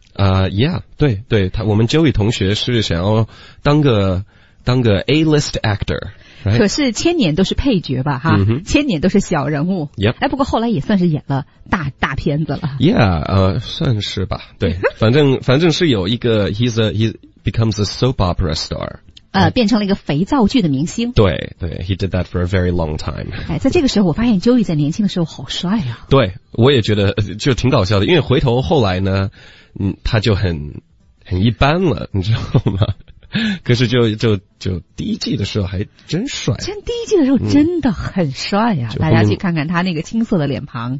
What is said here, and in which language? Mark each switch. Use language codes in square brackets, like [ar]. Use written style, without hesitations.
[zh] Yeah, 对对，他我们 Joey 同学是想要当个 A-list actor,、可是千年都是配角吧哈、千年都是小人物。 [en] Yep. [zh] 哎，不过后来也算是演了大片子了。 [en] Yeah, [zh] 算是吧，对，反正是有一个 [en] he becomes a soap opera star. [zh] 变成了一个肥皂剧的明星。对对 [en] ,he did that for a very long time. [zh] 哎，在这个时候我发现 Joey 在年轻的时候好帅啊。对，我也觉得就挺搞笑的，因为回头后来呢他就很一般了，你知道吗？可是就第一季的时候还真帅，真第一季的时候真的很帅呀、大家去看看他那个青涩的脸庞。